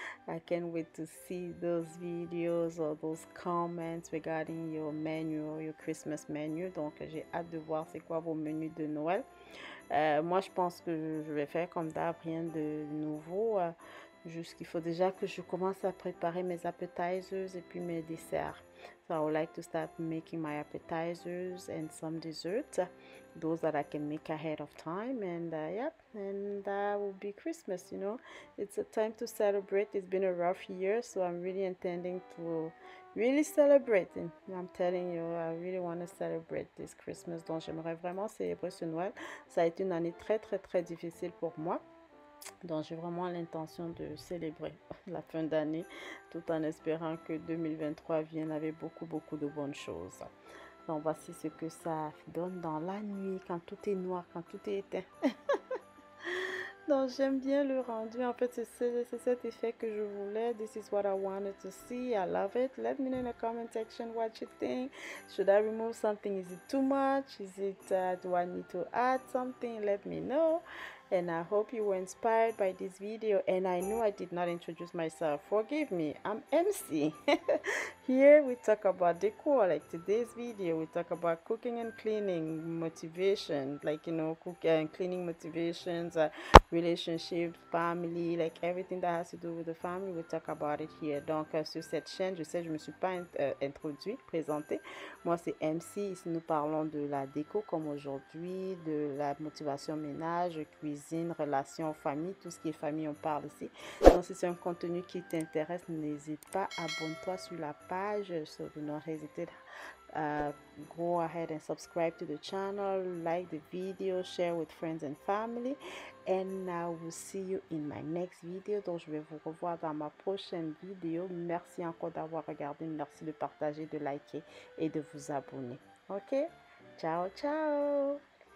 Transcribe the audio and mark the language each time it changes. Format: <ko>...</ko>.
<en>I can't wait to see those videos or those comments regarding your menu, your Christmas menu.</en> <fr>Donc, j'ai hâte de voir c'est quoi vos menus de Noël. Moi, je pense que je vais faire comme d'hab, rien de nouveau. Juste qu'il faut déjà que je commence à préparer mes appetizers et puis mes desserts.</fr> <en>So I would like to start making my appetizers and some desserts. Those that I can make ahead of time. And yep, and that will be Christmas, you know. It's a time to celebrate. It's been a rough year, so I'm really intending to really celebrate. And I'm telling you, I really want to celebrate this Christmas.</en> <fr>Donc j'aimerais vraiment célébrer ce Noël. Ça a été une année très très très difficile pour moi. Donc, j'ai vraiment l'intention de célébrer la fin d'année tout en espérant que 2023 vienne avec beaucoup, beaucoup de bonnes choses. Donc, voici ce que ça donne dans la nuit quand tout est noir, quand tout est éteint. Donc, j'aime bien le rendu. En fait, c'est cet effet que je voulais.</fr> <en>This is what I wanted to see. I love it. Let me know in the comment section what you think. Should I remove something? Is it too much? Is it, do I need to add something? Let me know. And I hope you were inspired by this video. And I know I did not introduce myself. Forgive me. I'm MC. Here we talk about decor. Like today's video, we talk about cooking and cleaning motivation. Like, you know, cooking and cleaning motivations, relationships, family, like everything that has to do with the family. We talk about it here.</en> <fr>Donc, sur cette chaîne, je sais, je ne me suis pas introduite, présentée. Moi, c'est MC. Ici, nous parlons de la déco comme aujourd'hui, de la motivation ménage, cuisine, relations, famille, tout ce qui est famille, on parle ici. Donc, si c'est un contenu qui t'intéresse, n'hésite pas, abonne-toi sur la page.</fr> <en>So, do not hesitate. Go ahead and subscribe to the channel. Like the video, share with friends and family. And I will see you in my next video.</en> <fr>Donc, je vais vous revoir dans ma prochaine vidéo. Merci encore d'avoir regardé. Merci de partager, de liker et de vous abonner. Ok? Ciao, ciao!</fr>